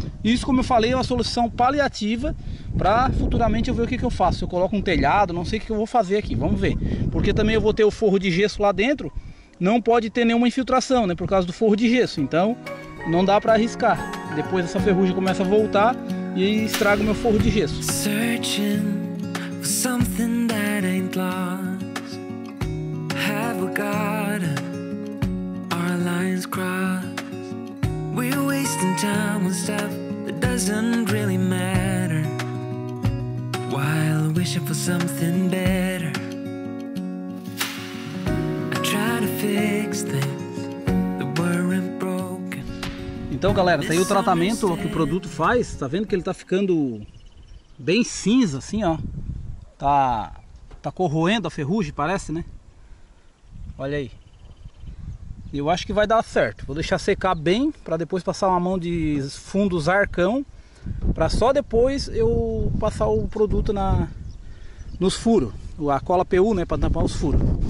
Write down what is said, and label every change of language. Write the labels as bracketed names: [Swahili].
[Portuguese] Isso, como eu falei, é uma solução paliativa para futuramente eu ver o que, que eu faço. Eu coloco um telhado, não sei o que, que eu vou fazer aqui, vamos ver. Porque também eu vou ter o forro de gesso lá dentro. Não pode ter nenhuma infiltração, né? Por causa do forro de gesso. Então não dá para arriscar. Depois essa ferrugem começa a voltar e estraga o meu forro de gesso. [English] Searching for something that ain't lost. Have a God, our lines cross. We're wasting time on stuff that doesn't really matter, while wishing for something better. I try to fix things that weren't broken. [Portuguese] Então, galera, tá aí o tratamento que o produto faz. Tá vendo que ele tá ficando bem cinza, assim, ó. Tá corroendo a ferrugem, parece, né? Olha aí. Eu acho que vai dar certo. Vou deixar secar bem para depois passar uma mão de fundo zarcão, para só depois eu passar o produto nos furos, a cola PU, né, para tampar os furos.